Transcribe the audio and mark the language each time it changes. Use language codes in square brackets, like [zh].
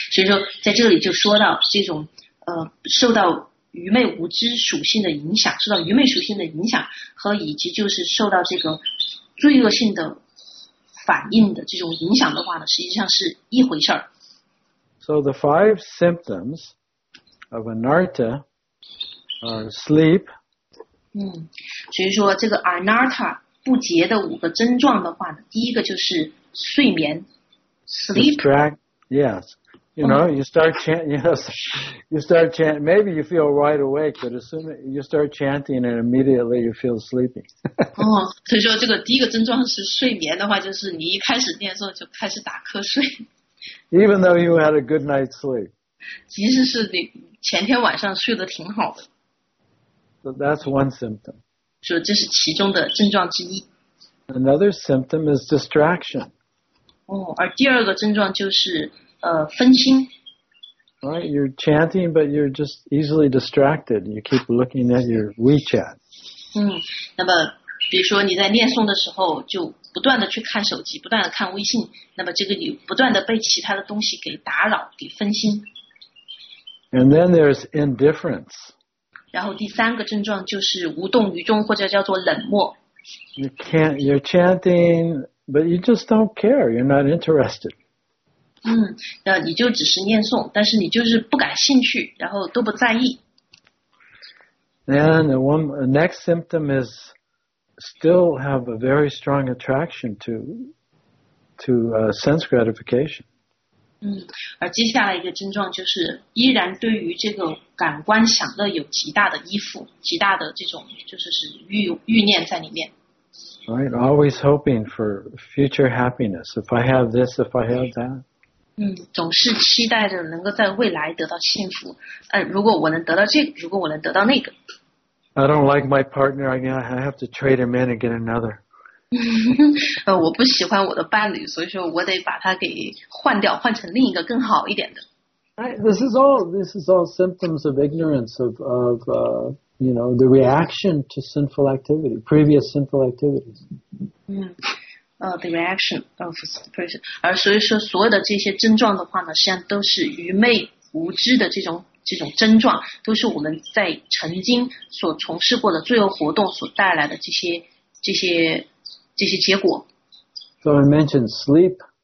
[zh] 所以说在这里就说到这种受到愚昧无知属性的影响，受到愚昧属性的影响和以及就是受到这个罪恶性的反应的这种影响的话呢，实际上是一回事儿。 [en] So the five symptoms of anartha are sleep. [zh] 所以说这个 anartha不洁的五个症状的话呢，第一个就是睡眠 ，sleep. [en] Yes, you know, you start chanting. Yes, you start chanting. Maybe you feel right awake, but as soon as you start chanting, and immediately you feel sleepy. [zh] 所以说这个第一个症状是睡眠的话，就是你一开始念诵就开始打瞌睡。 [en] Even though you had a good night's sleep. [zh] 即使是你前天晚上睡得挺好的。 [en] So that's one symptom. [zh] 所以这是其中的症状之一。 [en] Another symptom is distraction. [zh] 而第二个症状就是分心。 [en] Right, you're chanting, but you're just easily distracted. You keep looking at your WeChat. [zh] 那么比如说你在念诵的时候就不断的去看手机，不断的看微信，那么这个你不断的被其他的东西给打扰，给分心。 [en] And then there's indifference. [zh] 然后第三个症状就是无动于衷，或者叫做冷漠。 [en] You're chanting, but you just don't care. You're not interested. [zh] 那你就只是念诵，但是你就是不感兴趣，然后都不在意。 [en] Then the next symptom is still have a very strong attraction to sense gratification. [zh] 而接下来一个症状就是依然对于这个感官享乐有极大的依附，极大的这种就是欲念在里面。 [en] Right, always hoping for future happiness. If I have this, if I have that. [zh] 总是期待着能够在未来得到幸福。如果我能得到这个，如果我能得到那个。 [en] I don't like my partner. I have to trade him in and get another. [zh] 我不喜欢我的伴侣，所以说我得把他给换掉，换成另一个更好一点的。 [en] This is all symptoms of ignorance of the reaction to sinful activity, previous sinful activities. The reaction of person. [zh] 而所以说所有的这些症状的话呢，实际上都是愚昧无知的这种症状，都是我们在曾经所从事过的罪恶活动所带来的这些结果。 [en] So I mentioned sleep.